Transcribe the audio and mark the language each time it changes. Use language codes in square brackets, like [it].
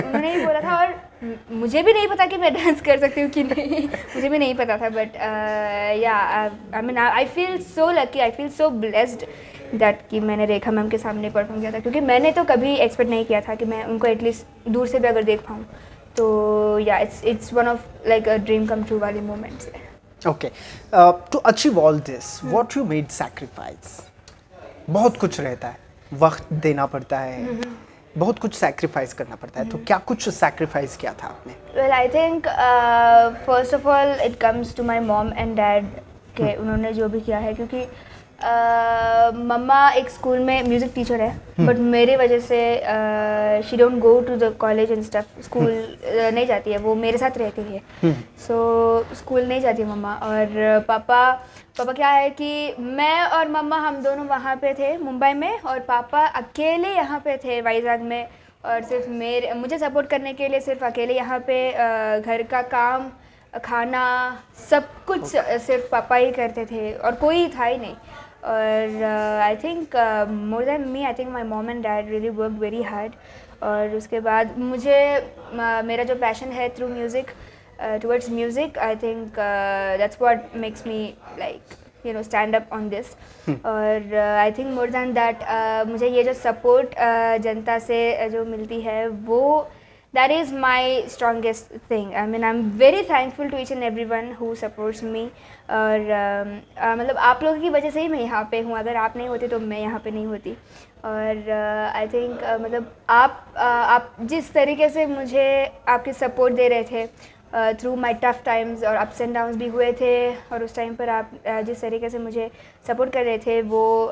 [hi] उन्होंने ही बोला था और मुझे भी नहीं पता कि मैं डांस कर सकती हूँ कि नहीं, मुझे भी नहीं पता था। बट या I mean [en] I feel so lucky, I feel so blessed [hi] that कि मैंने रेखा मैम के सामने परफॉर्म किया था क्योंकि मैंने तो कभी एक्सपेक्ट नहीं किया था कि मैं उनको एटलीस्ट दूर से भी अगर देख पाऊँ। [en] So yeah, it's one of like a dream come true wali moments. Okay, to achieve all this, what you made sacrifice? [hi] बहुत कुछ रहता है, वक्त देना पड़ता है, बहुत कुछ sacrifice करना पड़ता है, तो क्या कुछ sacrifice किया था आपने? [en] Well, I think first of all it comes to my mom and dad [hi] के उन्होंने जो भी किया है क्योंकि मम्मा एक स्कूल में म्यूजिक टीचर है बट मेरे वजह से [en] she don't go to the college and stuff [hi] school नहीं जाती है वो मेरे साथ रहती है सो स्कूल नहीं जाती है मम्मा और पापा क्या है कि मैं और मम्मा हम दोनों वहाँ पे थे मुंबई में और पापा अकेले यहाँ पे थे वाइजाग में और सिर्फ मेरे मुझे सपोर्ट करने के लिए सिर्फ अकेले यहाँ पे घर का काम खाना सब कुछ सिर्फ पापा ही करते थे और कोई था ही नहीं और [en] I think more than me I think my mom and dad really work very hard [hi] और उसके बाद मुझे [en] मेरा जो पैशन है through music towards music I think that's what makes me like you know stand up on this और I think more than that [hi] मुझे ये जो सपोर्ट जनता से जो मिलती है वो [en] That is my strongest thing. I mean, I'm very thankful to each and everyone who supports me. [hi] और मतलब आप लोगों की वजह से ही मैं यहाँ पे हूँ अगर आप नहीं होते तो मैं यहाँ पे नहीं होती और आई थिंक मतलब आप जिस तरीके से मुझे आपके सपोर्ट दे रहे थे [en] through my tough times [hi] और अप्स एंड डाउन्स भी हुए थे और उस टाइम पर आप जिस तरीके से मुझे सपोर्ट कर रहे थे वो